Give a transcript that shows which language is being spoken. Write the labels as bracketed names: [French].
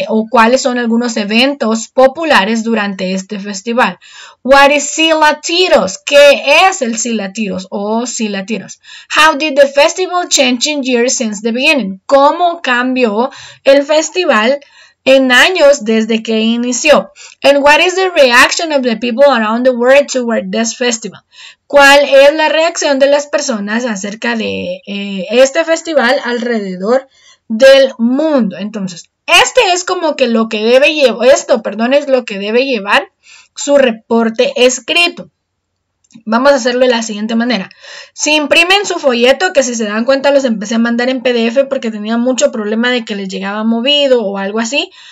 [Spanish] ¿Cuáles son algunos eventos populares durante este festival? [English] What is Silatiros? [Spanish] ¿Qué es el Silatiros o Silatiros? [English] How did the festival change in years since the beginning? [Spanish] ¿Cómo cambió el festival en años desde que inició? [English] And what is the reaction of the people around the world toward this festival? [Spanish] ¿Cuál es la reacción de las personas acerca de este festival alrededor del mundo? Entonces, este es como que lo que debe llevar, esto, perdón, es lo que debe llevar su reporte escrito. Vamos a hacerlo de la siguiente manera. Si imprimen su folleto, que si se dan cuenta los empecé a mandar en PDF porque tenía mucho problema de que les llegaba movido o algo así.